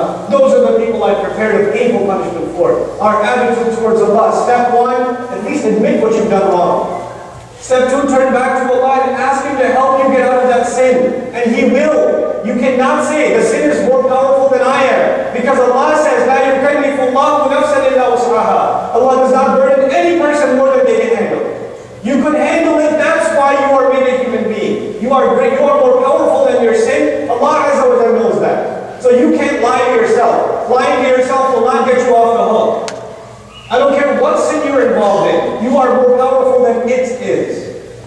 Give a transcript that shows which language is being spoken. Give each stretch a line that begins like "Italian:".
English: Those are the people I prepared a painful punishment for. Our attitude towards Allah. Step one, at least admit what you've done wrong. Step two, turn back to Allah and ask Him to help you get out of that sin. And He will. You cannot say, the sin is more powerful than I am. Because Allah says,
Arabic: لَا يُكَلِّفُ اللَّهُ نَفْسًا إِلَّا وُسْعَهَا.
English: Allah does not burden any person more than they can handle. You can handle it, that's why you are made a human being. You are great, you are more powerful than your sin. Allah Azza wa Jalla knows that. So you can't lie to yourself. Lying to yourself will not get you off the hook. I don't care what sin you're involved in, you are more powerful than it is.